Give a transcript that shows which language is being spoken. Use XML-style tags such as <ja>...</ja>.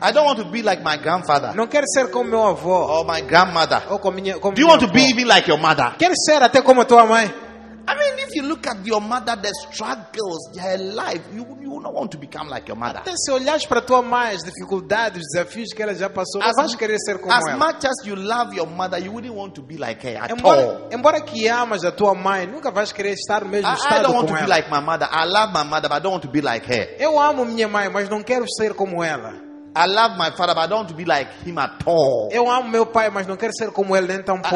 <en>I don't want to be like my grandfather.</en> <pt>Não quero ser como meu avô.</pt> <en>Or my grandmother.</en> <pt>Ou como minha, como</pt> <en>do you want to be even like your mother?</en> <pt>Quero ser até como tua mãe.</pt> <en>I mean, if you look at your mother, the struggles, her life, you will not want to become like your mother.</en> <pt>Até se olhares para tua mãe, as dificuldades, os desafios que ela já passou, não vais querer ser como as ela.</pt> <en>As much as you love your mother, you wouldn't want to be like her at</en> <pt>embora,</pt> <en>all.</en> <pt>Embora que amas a tua mãe, nunca vais querer estar no mesmo estado com ela.</pt> <en>I don't want to be like my mother. I love my mother, but I don't want to be like her.</en> <pt>Eu amo minha mãe, mas não quero ser como ela.</pt> <en>I love my father, but I don't want to be like him at all.</en> <pt>Eu amo meu pai, mas não quero ser como ele nem tampouco.</pt>